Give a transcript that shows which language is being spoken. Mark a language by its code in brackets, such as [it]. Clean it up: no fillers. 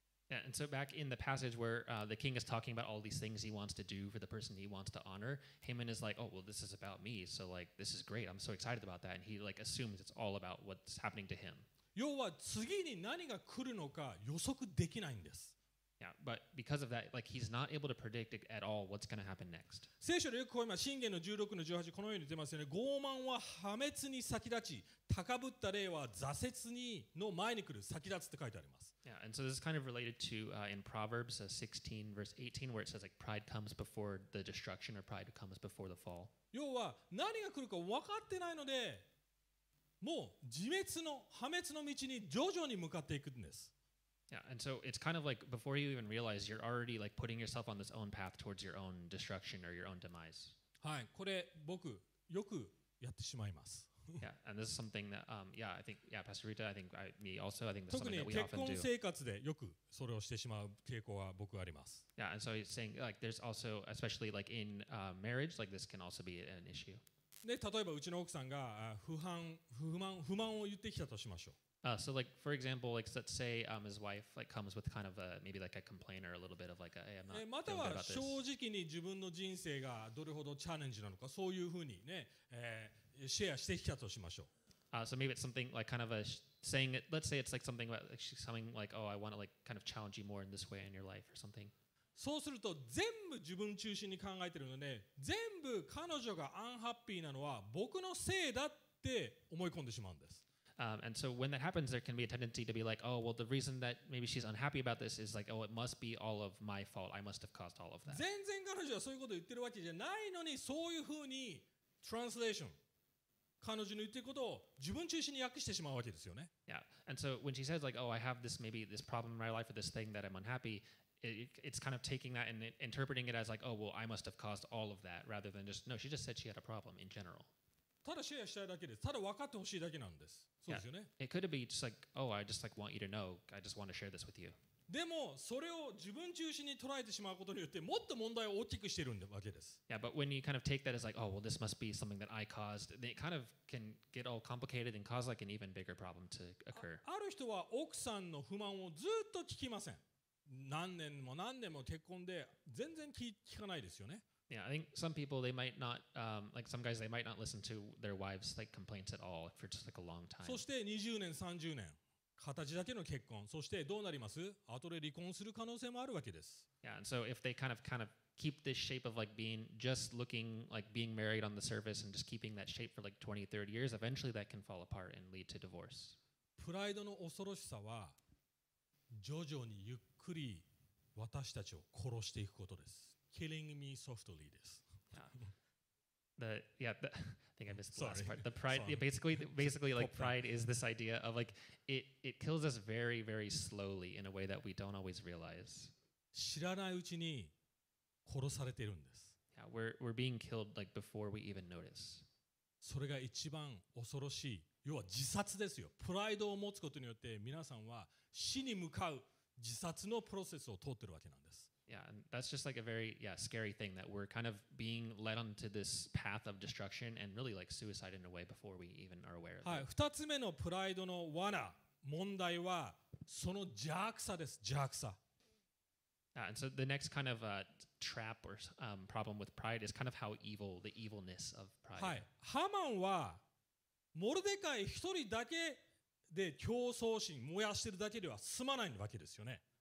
[en] Yeah, and so back in the passage where the king is talking about all these things he wants to do for the person he wants to honor, Haman is like, oh, well, this is about me, so like, this is great, I'm so excited about that, and he like assumes it's all about what's happening to him. [ja] 要は次に何が来るのか予測できないんです。 [en] Yeah, but because of that, like, he's not able to predict at all what's going to happen next. [ja] 聖書でよく今、箴言の16の18、このように出ますよね。傲慢は破滅に先立ち、高ぶった霊は挫折にの前に来る、先立つって書いてあります。 [en] Yeah, and so this is kind of related to in Proverbs 16 verse 18 where it says like pride comes before the destruction or pride comes before the fall. [ja] 要は何が来るか分かってないのでもう自滅の破滅の道に徐々に向かっていくんです。 [en] Yeah, and so it's kind of like before you even realize you're already like putting yourself on this own path towards your own destruction or your own demise. [ja] はい、これ僕よくやってしまいます。 [en] Yeah, and this is something that, yeah, I think, yeah, Pastor Rita, I think, me also, I think this is something that we often do. [ja] 特に結婚生活でよくそれをしてしまう傾向は僕はあります。 [en] Yeah, and so he's saying, like, there's also, especially, like, in marriage, like, this can also be an issue. [ja] で、例えばうちの奥さんが不満を言ってきたとしましょう。 [en] So, like, for example, like, let's say his wife, like, comes with kind of a, maybe, like, a complaint or a little bit of, like, hey, I'm not feeling good about this. [ja] または正直に自分の人生がどれほどチャレンジなのか、そういうふうにね、シェアしてきたとしましょう。 [en] So maybe it's something like kind of a saying. Let's say it's like something about like something like, oh, I want to like kind of challenge you more in this way in your life or something. [ja] そうすると全部自分中心に考えてるので、全部彼女がアンハッピーなのは僕のせいだって思い込んでしまうんです。 [en] And so when that happens, there can be a tendency to be like, oh, well, the reason that maybe she's unhappy about this is like, oh, it must be all of my fault. I must have caused all of that. [ja] 全然彼女はそういうこと言ってるわけじゃないのに、そういうふうに translation、彼女の言ってることを自分中心に訳してしまうわけですよね。 [en] Yeah. And so when she says like, oh, I have this maybe this problem in my life or this thing that I'm unhappy, it's kind of taking that and interpreting it as like, oh, well, I must have caused all of that rather than just, no, she just said she had a problem in general. [ja] ただシェアしたいだけです。ただ分かってほしいだけなんです。そうですよね。 [en] Yeah. It could be just like, oh, I just like want you to know. I just want to share this with you. [ja] でもそれを自分中心に捉えてしまうことによってもっと問題を大きくしているわけです。 [en] Yeah, but when you kind of take that as like, oh, well, this must be something that I caused, it kind of can get all complicated and cause like an even bigger problem to occur. [ja] ある人は奥さんの不満をずっと聞きません。何年も何年も結婚で全然聞かないですよね。 [en] Yeah, I think some people, they might not, like some guys, they might not listen to their wives' like, complaints at all for just like a long time. [ja] そして20年、30年、形だけの結婚、そしてどうなります？後で離婚する可能性もあるわけです。 [en] Yeah, and so if they kind of keep this shape of like being, just looking like being married on the surface and just keeping that shape for like 20, 30 years, eventually that can fall apart and lead to divorce. [ja] プライドの恐ろしさは、徐々にゆっくり私たちを殺していくことです。 [en] Killing me softly. This. I think I missed the last part. The pride. Yeah, basically, like pride is this idea of like it kills us very, very slowly in a way that we don't always realize. [ja] 知らないうちに殺されているんです。 [en] Yeah, we're being killed like before we even notice. [ja] それが一番恐ろしい。要は自殺ですよ。プライドを持つことによって皆さんは死に向かう自殺のプロセスを通ってるわけなんです。 [en] Yeah, and that's just like a very yeah, scary thing that we're kind of being led onto this path of destruction and really like suicide in a way before we even are aware of it. [ja] 2つ目のプライドの罠、問題はその邪悪さです、邪悪さ。 [en] And so the next kind of trap or problem with pride is kind of how evil, the evilness of pride. [ja] はい、ハマンはモルデカイ一人だけで競争心燃やしてるだけでは済まないわけですよね。